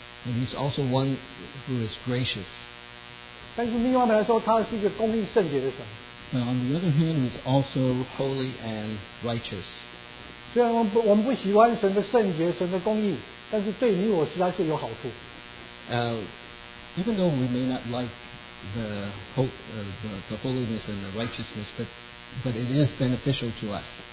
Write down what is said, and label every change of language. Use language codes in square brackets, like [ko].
[en] And He's also one who is gracious. [zh] 但是另外来说，他是一个公义圣洁的神。 [en] But on the other hand, He's also holy and righteous. [zh] 虽然我们不喜欢神的圣洁、神的公义，但是对你我实在是有好处。 [en] Even though we may not like the holiness and the righteousness, but it is beneficial to us.